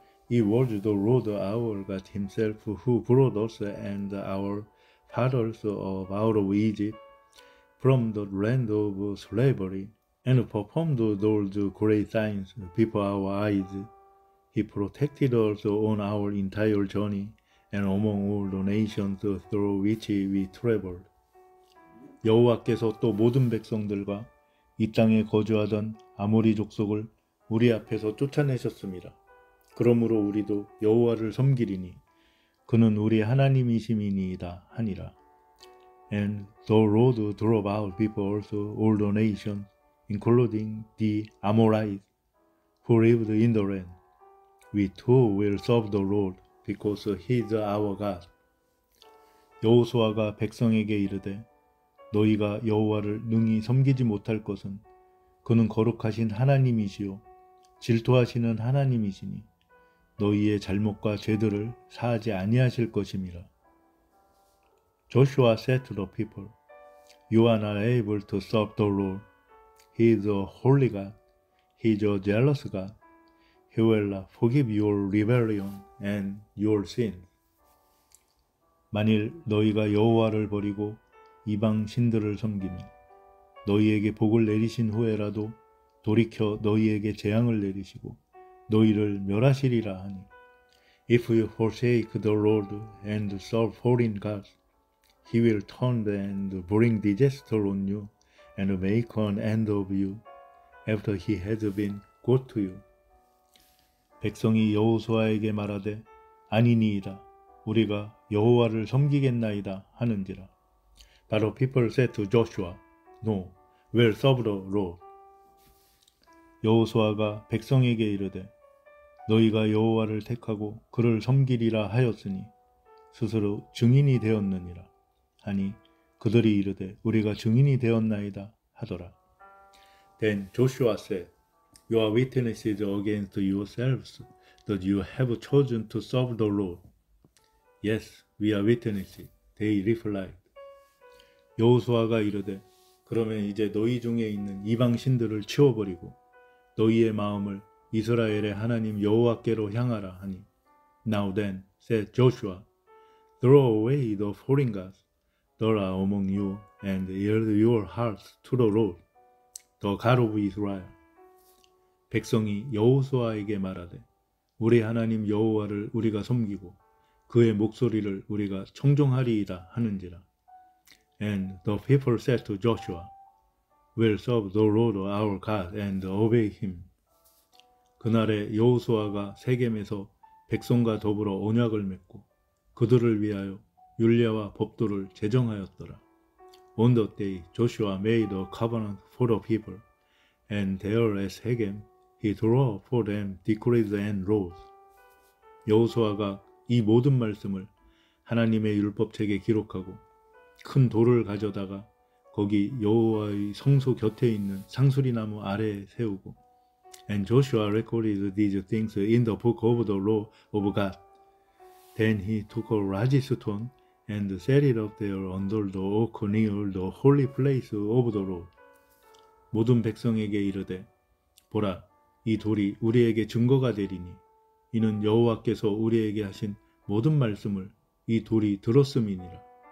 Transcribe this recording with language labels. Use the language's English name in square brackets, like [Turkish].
[English] He was the Lord our God himself who brought us and our fathers of out of Egypt from the land of slavery and performed those great signs before our eyes. He protected us on our entire journey and among all the nations through which we traveled. [Korean] 여호와께서 또 모든 백성들과 이 땅에 거주하던 아모리 족속을 우리 앞에서 쫓아내셨습니다. 그러므로 우리도 여호와를 섬기리니 그는 우리 하나님이심이니이다 하니라. [English] And the Lord drove out before also all the nations, including the Amorites who lived in the land. We too will serve the Lord because he is our God. [Korean] 여호수아가 백성에게 이르되 너희가 여호와를 능히 섬기지 못할 것은 그는 거룩하신 하나님이시오 질투하시는 하나님이시니 너희의 잘못과 죄들을 사하지 아니하실 것임이라. [English] Joshua said to the people, You are not able to serve the Lord. He is a holy God. He is a jealous God. He will not forgive your rebellion and your sin. [Korean] 만일 너희가 여호와를 버리고 이방 신들을 섬기며 너희에게 복을 내리신 후에라도 돌이켜 너희에게 재앙을 내리시고 너희를 멸하시리라 하니 [English] If you forsake the Lord and serve foreign gods, he will turn and bring disaster on you and make an end of you after he has been good to you. [Korean] 백성이 여호수아에게 말하되 아니니이다. 우리가 여호와를 섬기겠나이다 하는지라. [English] But the people said to Joshua, No, we'll serve the Lord. [Korean] 여호수아가 백성에게 이르되 너희가 여호와를 택하고 그를 섬기리라 하였으니 스스로 증인이 되었느니라. 하니 그들이 이르되 우리가 증인이 되었나이다 하더라. [English] Then Joshua said, You are witnesses against yourselves that you have chosen to serve the Lord. Yes, we are witnesses. They replied. [Korean] 여호수아가 이르되 그러면 이제 너희 중에 있는 이방 신들을 치워버리고 너희의 마음을 이스라엘의 하나님 여호와께로 향하라 하니 [English] Now then, said Joshua, throw away the foreign gods that are among you and yield your hearts to the Lord, the God of Israel. [Korean] 백성이 여호수아에게 말하되 우리 하나님 여호와를 우리가 섬기고 그의 목소리를 우리가 청종하리이다 하는지라. [English] And the people said to Joshua, We'll serve the Lord our God and obey him. [Korean] 그날에 여호수아가 세겜에서 백성과 더불어 언약을 맺고 그들을 위하여 율례와 법도를 제정하였더라. [English] On that day, Joshua made a covenant for the people, and there at Shechem, he drew for them decrees and laws. [Korean] 여호수아가 이 모든 말씀을 하나님의 율법책에 기록하고 큰 돌을 가져다가 거기 여호와의 성소 곁에 있는 상수리나무 아래에 세우고 [English] And Joshua recorded these things in the book of the law of God. Then he took a large stone and set it up there under the oak near the holy place of the law. [Korean] 모든 백성에게 이르되 보라, 이 돌이 우리에게 증거가 되리니 이는 여호와께서 우리에게 하신 모든 말씀을 이 돌이 들었음이니라.